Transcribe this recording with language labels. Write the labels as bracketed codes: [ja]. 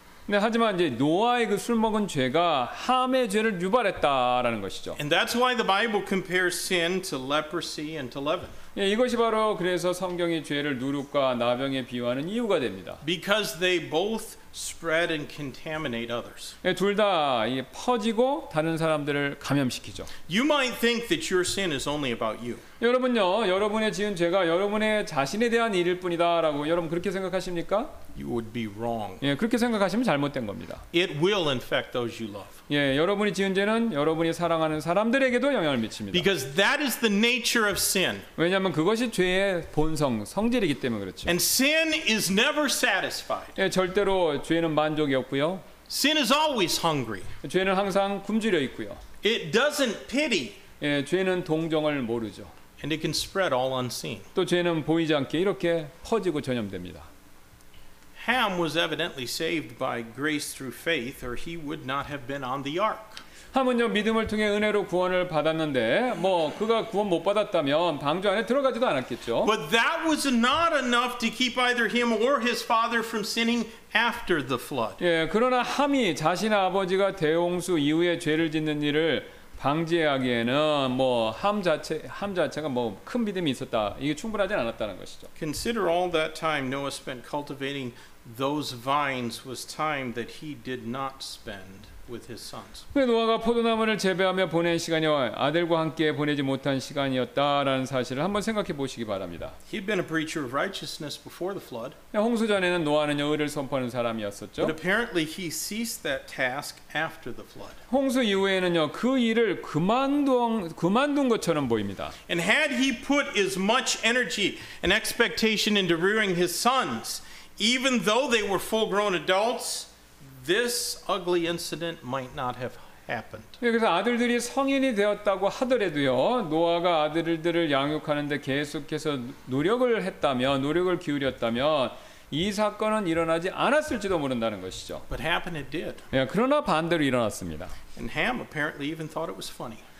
[ko] 네, 하지만 이제 노아의 그 술 먹은 죄가 함의 죄를 유발했다라는 것이죠. [en] And that's why the Bible compares sin to leprosy and to leaven. [ko] 예, 이것이 바로 그래서 성경이 죄를 누룩과 나병에 비유하는 이유가 됩니다. [en] Because they both spread and contaminate others. [ko] 예, 둘 다 퍼지고 다른 사람들을 감염시키죠. [en] You might think that your sin is only about you. [ko] 여러분요, 여러분의 지은 죄가 여러분의 자신에 대한 일일 뿐이다라고 여러분 그렇게 생각하십니까? [en] You would be wrong. [ko] 예, 그렇게 생각하시면 잘못된 겁니다. [en] It will infect those you love. [ko] 예, 여러분이 지은 죄는 여러분이 사랑하는 사람들에게도 영향을 미칩니다. [en] Because that is the nature of sin. [ko] 왜냐하면 그것이 죄의 본성, 성질이기 때문에 그렇죠. [en] And sin is never satisfied. [ko] 예, 절대로 죄는 만족이 없고요. [en] Sin is always hungry. [ko] 죄는 항상 굶주려 있고요. [en] It doesn't pity. [ko] 예, 죄는 동정을 모르죠. [en] And it can spread all unseen. [ko] 또 죄는 보이지 않게 이렇게 퍼지고 전염됩니다. [en] Ham was evidently saved by grace through faith, or he would not have been on the ark. [ko] 함은요 믿음을 통해 은혜로 구원을 받았는데, 뭐 그가 구원 못 받았다면 방주 안에 들어가지도 않았겠죠. [en] But that was not enough to keep either him or his father from sinning after the flood. [ko] 예, 그러나 함이 자신의 아버지가 대홍수 이후에 죄를 짓는 일을 방지하기에는 뭐 함 자체가 뭐 큰 믿음이 있었다 이게 충분하지 않았다는 것이죠. [en] Consider all that time Noah spent cultivating those vines was time that he did not spend with his sons. [ko] 노아가 포도나무를 재배하며 보낸 시간이 아들과 함께 보내지 못한 시간이었다라는 사실을 한번 생각해 보시기 바랍니다. [en] He'd been a preacher of righteousness before the flood. [ko] 홍수 전에는 노아는 의를 선포하는 사람이었었죠. [en] But apparently he ceased that task after the flood. [ko] 홍수 이후에는요 그 일을 그만둔 것처럼 보입니다. [en] And had he put as much energy and expectation into rearing his sons, even though they were full-grown adults, this ugly incident might not have happened. [ko] 그래서 아들들이 성인이 되었다고 하더라도요, 노아가 아들들을 양육하는데 계속해서 노력을 했다면, 노력을 기울였다면 이 사건은 일어나지 않았을지도 모른다는 것이죠. [en] But happen it did. [ko] 예, 그러나 반대로 일어났습니다. [en] And Ham apparently even thought it was funny.